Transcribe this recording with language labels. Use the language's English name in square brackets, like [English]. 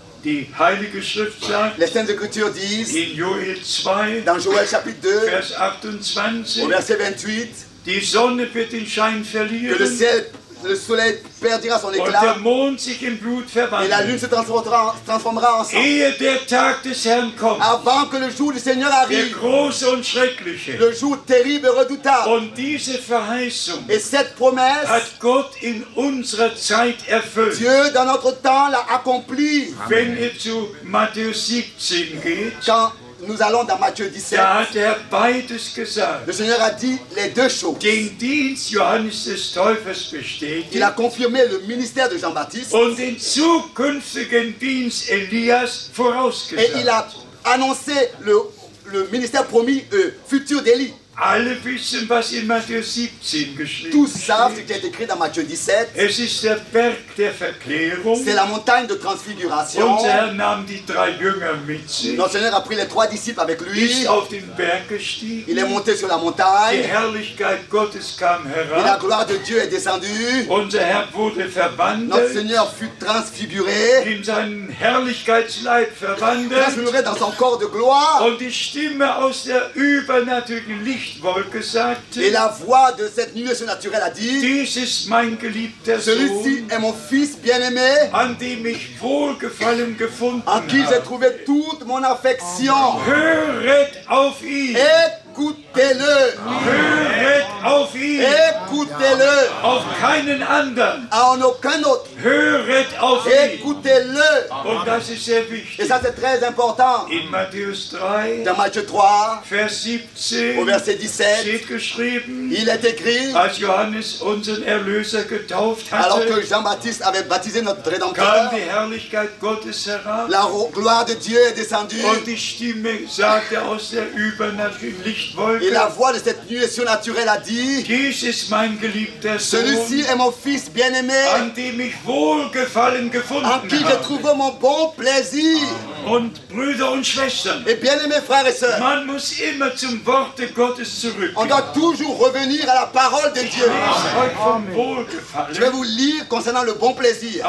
[German] Die Heilige Schrift sagt, [French] les Saintes Écritures disent, [German] in Joël 2, [French] dans Joël chapitre 2, [German] vers 28, [French] au verset 28, [German] die Sonne wird den Schein verlieren. [French] Que le ciel Le soleil perdra son éclat. [German] Und der Mond sich in Blut verwandelt. [French] Et la lune se transformera en sang. [German] Ehe der Tag des Herrn kommt. [French] Avant que le jour du Seigneur arrive. [German] Der große und schreckliche. [French] Le jour terrible et redoutable. [German] Und diese Verheißung. [French] Et cette promesse. [German] Hat Gott in unserer Zeit erfüllt. [French] Dieu dans notre temps l'a accompli. [German] Wenn ihr zu Matthäus 17 geht. [French] Quand nous allons dans Matthieu 17. [German] Da hat er beides gesagt. [French] Le Seigneur a dit les deux choses. [German] Den Dienst Johannes des Täufers bestätigt. [French] Il a confirmé le ministère de Jean-Baptiste. [German] Und den zukünftigen Dienst Elias vorausgesagt. [French] Et il a annoncé le ministère promis futur d'Élie. [German] Alle wissen, was in Matthieu 17 geschrieben [French] Tout savent ce qui est écrit dans Matthieu 17. [German] Es ist der Berg der Verklärung. [French] C'est la montagne de transfiguration. [German] Und er nahm die drei Jünger mit sich. [French] Notre Seigneur a pris les trois disciples avec lui. [German] Ist auf den Berg gestiegen. [French] Il est monté sur la montagne. [German] Die Herrlichkeit Gottes kam herab. [French] Et la gloire de Dieu est descendue. [German] Unser Herr wurde verwandelt. [French] Notre Seigneur fut transfiguré. [German] In seinen Herrlichkeitsleib verwandelt. [French] Transfiguré dans son corps de gloire. [German] Und die Stimme aus der übernatürlichen Licht Wolke sagte, [French] Et la voix de cette nuit surnaturelle a dit [German] Dies ist mein geliebter Sohn, [French] Celui-ci est mon fils bien-aimé [German] an dem ich wohlgefallen gefunden [French] à qui j'ai trouvé toute mon affection [German] Hört auf ihn [French] Et Écoutez-le. [German] Hört auf ihn. [French] Écoutez-le. [German] Auf keinen anderen. [French] En aucun autre. [German] Hört auf ihn. [French] Écoutez-le. [German] Und das ist sehr wichtig. [French] Et ça, c'est très important. [German] In Matthäus 3, [French] dans Matthieu 3, [German] Vers 17, [French] au verset 17, [German] steht geschrieben, [French] il est écrit, [German] als Johannes unseren Erlöser getauft hatte, [French] alors que Jean-Baptiste avait baptisé notre Rédempteur, [German] kam die Herrlichkeit Gottes herab, [French] la gloire de Dieu est descendue, [German] und die Stimme sagte aus der übernatürlichen Lichtwolke, [French] et la voix de cette nuée surnaturelle a dit, [German] dies ist mein geliebter Sohn, [French] celui-ci est mon fils bien-aimé, [German] an dem ich wohlgefallen gefunden habe, [French] en qui j'ai trouvé mon bon plaisir. [German] Und Brüder und Schwestern, [French] et bien-aimés frères et sœurs, [German] man muss immer zum Wort Gottes zurück. [French] On doit toujours revenir à la parole de Dieu. Amen. Je vais vous lire concernant le bon plaisir.